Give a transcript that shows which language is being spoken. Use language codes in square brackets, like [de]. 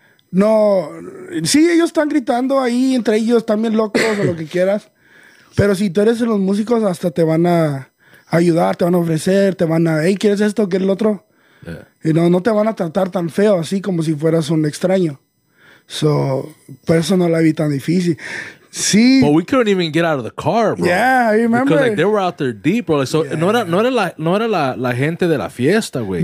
[es] No, sí, ellos están gritando ahí entre ellos, están bien locos o lo que quieras, pero si tú eres de los músicos, hasta te van a ayudar, te van a ofrecer, te van a, hey, ¿quieres esto? ¿Quieres el otro? Yeah. Y no, no te van a tratar tan feo, así como si fueras un extraño. So, por eso no la vi tan difícil. Sí. [en] But we couldn't even get out of the car, bro. Yeah, I remember. Because, like, they were out there deep, bro. Like, so, yeah. [es] no era la gente de la fiesta, güey.